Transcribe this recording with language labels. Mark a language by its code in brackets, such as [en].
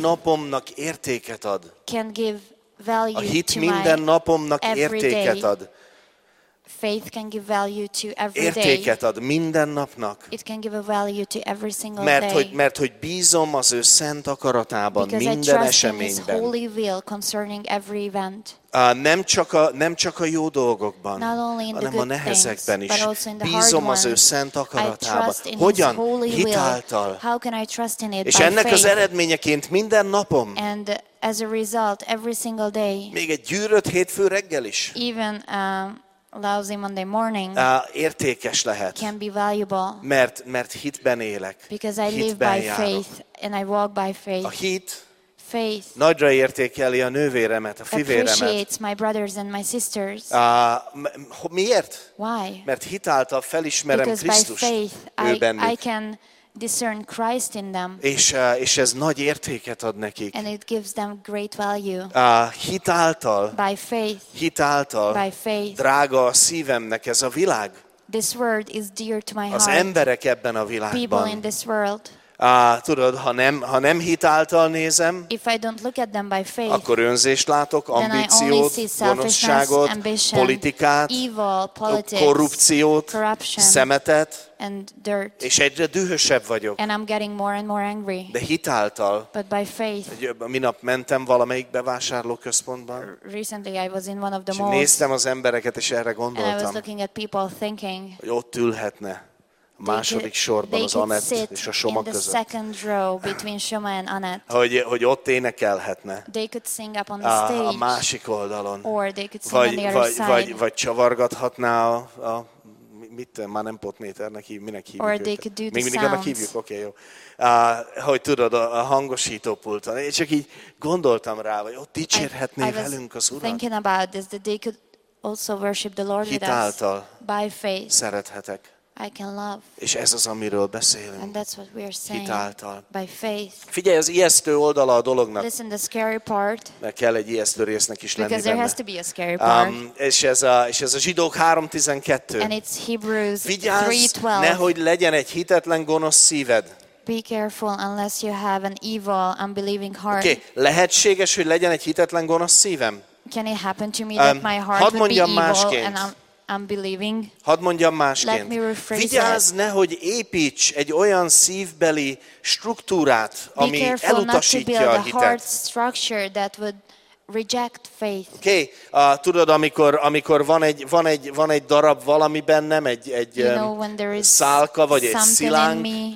[hu] napomnak értéket ad. [en] Can give value [hu] a hit [en] to [hu] minden napomnak értéket ad. [en] Faith can give value to every day. [hu] Értéket ad minden napnak. [en] It can give a value to every single day. [hu] Mert hogy bízom az ő szent akaratában minden eseményben. [en] Because I trust in His holy will concerning every event. [hu] Nem csak a jó dolgokban, [en] not only in [hu] hanem [en] the good [hu] a nehezekben [en] things, [hu] is. [en] But also in the [hu] bízom [en] hard [hu] az ő szent akaratában. Hogyan? Hitáltal. [en] How can I trust in it? [hu] És ennek [en] faith. [hu] Az eredményeként minden napom. [en] And as a result, every single day. [hu] Még egy gyűrött hétfő reggel is. [en] Even lousy Monday morning. [hu] Értékes lehet. [en] Can be valuable. [hu] Mert hitben élek. [en] Because I live by faith and I walk by faith. [hu] A hit. [en] Faith. [hu] Nagyra értékeli a nővéremet, a fivéremet. [en] Appreciates my brothers and my sisters. [hu] Miért? [en] Why? [hu] Mert hitáltal felismerem Krisztust. [en] Because by faith I can discern Christ in them. [hu] És ez nagy értéket ad nekik. [en] And it gives them great value. [hu] Hitáltal. [en] By faith. [hu] Hitáltal. [en] By faith. [hu] Drága a szívemnek ez a világ. [en] This world is dear to my heart. [hu] Az emberek ebben a világban. [en] People in this world. [hu] Tudod, ha nem hitáltal nézem, [en] if I don't look at them by faith, [hu] akkor önzést látok, ambíciót, gonoszságot, [en] ambition, [hu] politikát, [en] evil, politics, [hu] korrupciót, [en] corruption, [hu] szemetet, [en] and dirt. [hu] És egyre dühösebb vagyok. [en] And I'm getting more and more angry. [hu] De hitáltal. [en] But by faith. [hu] Minap mentem valamelyik bevásárlóközpontban. [en] Recently I was in one of the malls. [hu] Néztem az embereket és erre gondoltam. [en] And I was looking at people thinking. [hu] Hogy ott ülhetne. A második sorban az Anett és a Soma között. [en] They could sit in the second row between Soma and Anett. [hu] Hogy ott énekelhetne. [en] They could sing up on the stage. [hu] A másik oldalon. [en] Or they could sing [hu] vagy, [en] on the other [hu] vagy, [en] side. [hu] Vagy csavargathatná a mit, már nem potméternek hívjuk, minek hívjuk. [en] Or they could do the [hu] még mindig [en] sounds. [hu] Annak hívjuk, oké, okay, jó. Hogy tudod, a hangosítópulton. Én csak így gondoltam rá, hogy ott dicsérhetné velünk az Urat. [en] I was thinking about this, that they could also worship the Lord with us. [hu] Hitáltal. [en] By faith. [hu] Szerethetek. [en] I can love. [hu] És ez az, amiről beszélünk. [en] And that's what we are saying. [hu] Hitáltal. [en] By faith. [hu] Figyelj, az ijesztő oldala a dolognak. [en] Listen, the scary part. [hu] Mert kell egy ijesztő résznek is lenni benne. [en] Because there has to be a scary part. [hu] És ez a Zsidók 3:12. [en] And it's Hebrews 3:12. [hu] Vigyázz, nehogy legyen egy hitetlen gonosz szíved. [en] Be careful unless you have an evil, unbelieving heart. Okay. [hu] Lehetséges, hogy legyen egy hitetlen gonosz szívem? [en] Can it happen to me that my heart would be evil [hu] másként. [en] And unbelieving. [hu] Hadd mondjam másként. [en] Let me rephrase it. [hu] Vigyázz, nehogy építs egy olyan szívbeli struktúrát, ami elutasítja a hitet. [en] Be careful not to build a reject faith. [hu] Oké, tudod, amikor van egy darab valami bennem, egy szálka vagy egy szilánk,